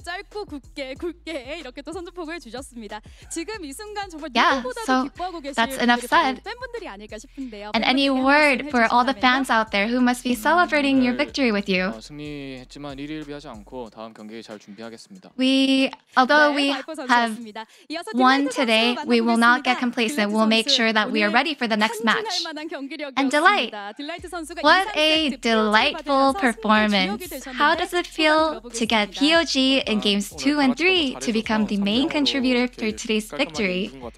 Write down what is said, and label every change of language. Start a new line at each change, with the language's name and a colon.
Korean: 짧고 굵게 굵게 이렇게 또 선두폭을 주셨습니다. 지금 이 순간 정말 누구보다도 기뻐하고 계신
English: That's enough said.
Korean: 팬분들이 아닐까 싶은데요.
English: And any word for all the fans out there who must be celebrating your victory with you.
Korean: 승리했지만 1위를 위하지 않고 다음 경기에 잘 준비하겠습니다.
English: Although we have won today, we will not get complacent. We'll make sure that we are ready for the next match. And Delight, what a delightful performance. How does it feel to get POG in games 2 and 3 to become the main contributor for today's victory?